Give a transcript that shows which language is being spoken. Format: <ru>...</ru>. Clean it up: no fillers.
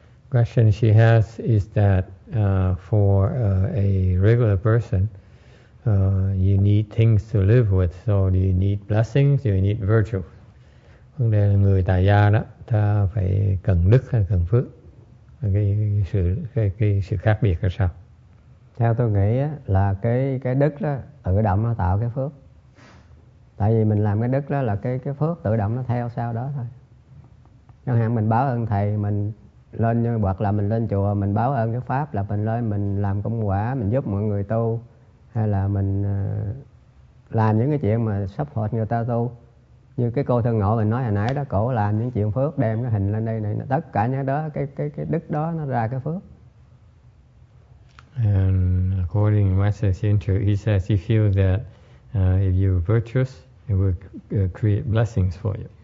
<en>Question she has is that for a regular person, you need things to live with. So do you need blessings? Do you need virtue?</en> <vi>Vấn đề là người tại gia đó, ta phải cần đức hay cần phước? Cái sự khác biệt là sao? Theo tôi nghĩ là cái đức đó tự động nó tạo cái phước. Tại vì mình làm cái đức đó là cái phước tự động nó theo sau đó thôi. Chẳng hạn mình báo ơn thầy, mình lên hoặc là mình lên chùa, mình báo ơn cái pháp là mình lên mình làm công quả, mình giúp mọi người tu, hay là mình làm những cái chuyện mà support người ta tu. Như cái cô thân ngộ mình nói hồi nãy đó, cổ làm những chuyện phước, đem cái hình lên đây này, tất cả những đó, cái đức đó nó ra cái phước.</vi> <en>And according to Master Sintra, he says he feels that if you're virtuous, it will create blessings for you.</en>